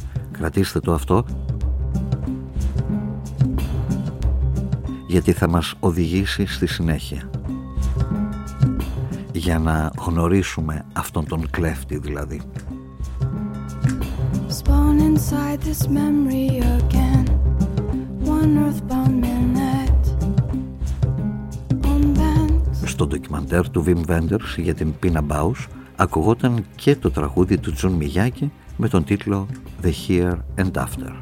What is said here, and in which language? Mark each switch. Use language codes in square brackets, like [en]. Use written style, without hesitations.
[el] Κρατήστε το αυτό, γιατί θα μας οδηγήσει στη συνέχεια, για να γνωρίσουμε αυτόν τον κλέφτη δηλαδή. [en] Spawn inside this memory again, one earthbound minute. Unbent. [el] Στο ντοκιμαντέρ του Wim Wenders για την Pina Baus ακουγόταν και το τραγούδι του Τζουν Μιγιάκη με τον τίτλο The Here and After.